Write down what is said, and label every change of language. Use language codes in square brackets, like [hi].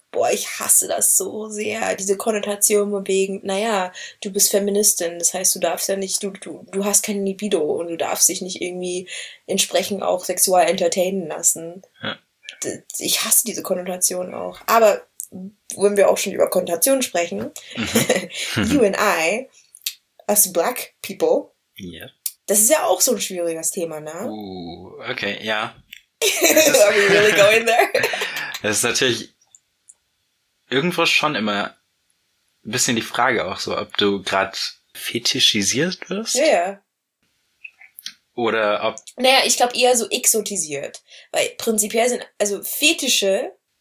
[de] Boah, ich hasse das so sehr. Diese Konnotation wegen, naja, du bist Feministin, das heißt, du darfst ja nicht, du hast keine Libido und du darfst dich nicht irgendwie entsprechend auch sexual entertainen lassen. Ja. Ich hasse diese Konnotation auch. Aber... wenn wir auch schon über Konnotation sprechen, [en] you and I, us black people, [de] das ist ja auch so ein schwieriges Thema, ne? Okay, ja. [en] Are we really going there? [de] Das ist natürlich irgendwo schon immer ein bisschen die Frage auch so, ob du gerade fetischisiert wirst. Ja, yeah. Oder ob... Naja, ich glaube eher so exotisiert. Weil prinzipiell sind, also Fetische...